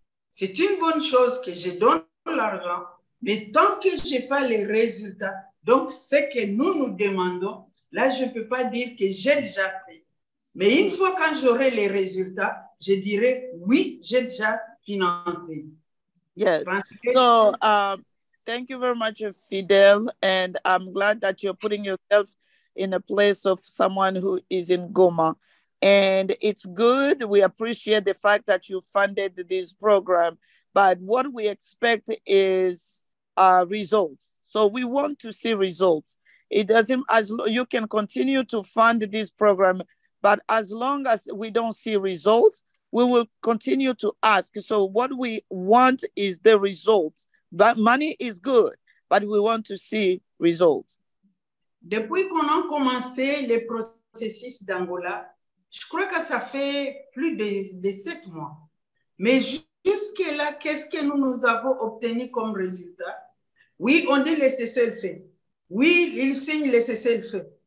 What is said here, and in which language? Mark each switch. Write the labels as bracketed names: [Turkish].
[French] C'est une bonne chose que je donne l'argent, mais tant que je n'ai pas les résultats, donc ce que nous nous demandons, là je ne peux pas dire que j'ai déjà fait. Mais une fois quand j'aurai les résultats, je dirais oui, j'ai déjà financé. [English] Yes. So, thank you very much, Fidel. And I'm glad that you're putting yourself in a place of someone who is in Goma. And it's good. We appreciate the fact that you funded this program. But what we expect is results. So we want to see results. It doesn't, as you can continue to fund this program, but as long as we don't see results, we will continue to ask. So what we want is the results. But money is good, but we want to see results. [French] Depuis qu'on a commencé les processus d'Angola, je crois que ça fait plus de 7 mois. Mais jusque là, qu'est-ce que nous avons obtenu comme résultat? Oui, on dit les cessez-le-feu. Oui, ils signent les cessez-le-feu.